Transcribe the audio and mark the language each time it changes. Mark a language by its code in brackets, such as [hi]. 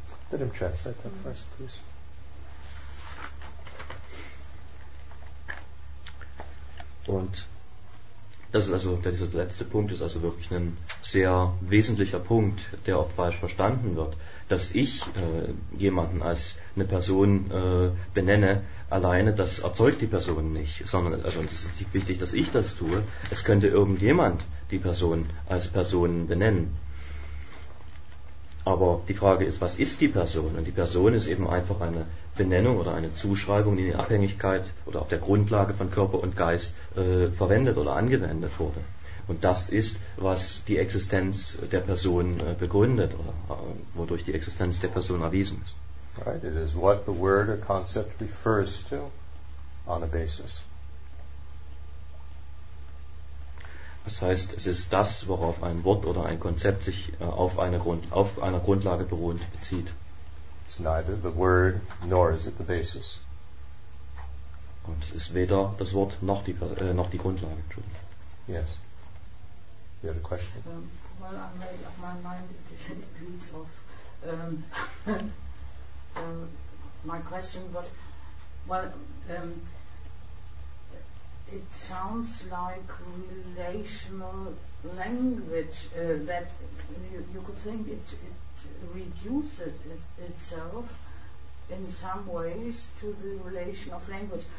[en] Let him translate that first, please. [de] Und das ist also dieser letzte Punkt ist also wirklich ein sehr wesentlicher Punkt, der oft falsch verstanden wird, dass ich jemanden als eine Person benenne, alleine das erzeugt die Person nicht, sondern also es ist wichtig, dass ich das tue. Es könnte irgendjemand die Person als Person benennen. Aber die Frage ist, was ist die Person? Und die Person ist eben einfach eine Benennung oder eine Zuschreibung, die in Abhängigkeit oder auf der Grundlage von Körper und Geist verwendet oder angewendet wurde. Und das ist, was die Existenz der Person begründet oder wodurch die Existenz der Person erwiesen ist. [en] Right, it is what the word or concept refers to on a basis. [de] Das heißt, es ist das, worauf ein Wort oder ein Konzept sich auf einer Grundlage beruhend bezieht. [en] It's neither the word nor is it the basis. [de] Und es ist weder das Wort noch die Grundlage. [en] Yes. You have a question? Well, I made up my mind in terms of my question was, it sounds like relational language that you could think it reduces itself in some ways to the relation of language.